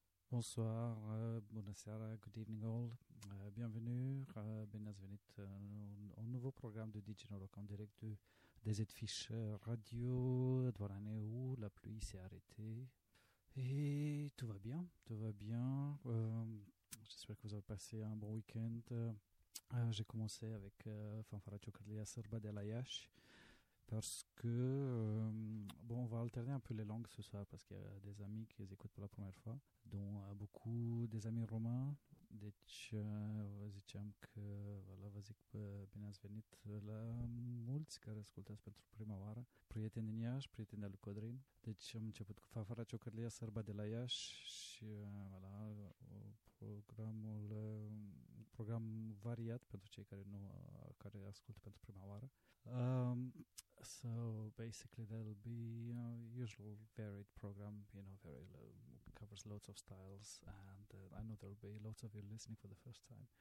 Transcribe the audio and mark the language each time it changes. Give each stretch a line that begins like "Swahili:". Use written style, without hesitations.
French: Bonsoir,
Italian: buonasera,
English: good evening all,
French: bienvenue,
Italian: benvenuti
French: un nouveau programme de DJ Rock en direct de des Zfish Radio, dans l'année où la pluie s'est arrêtée, et tout va bien, j'espère que vous avez passé un bon week-end. J'ai commencé avec Fanfara Ciocarlia Serba de la Yash, parce que, on va alterner un peu les langues ce soir, parce qu'il y a des amis qui les écoutent pour la première fois, dont beaucoup des amis romains.
Romanian: Deci, vă ziceam că, voilà, vă zic, bine ați venit la mulți care ascultați pentru prima oară, prieteni din Iași, prieteni al Codrin. Deci am început cu Fanfara Ciocărlia Sărba de la Iași și, voilà, un program variat pentru cei care ascultă pentru prima oară.
English: So basically there'll be a usual varied program, you know, very low, covers loads of styles, and I know there'll be lots of you listening for the first time.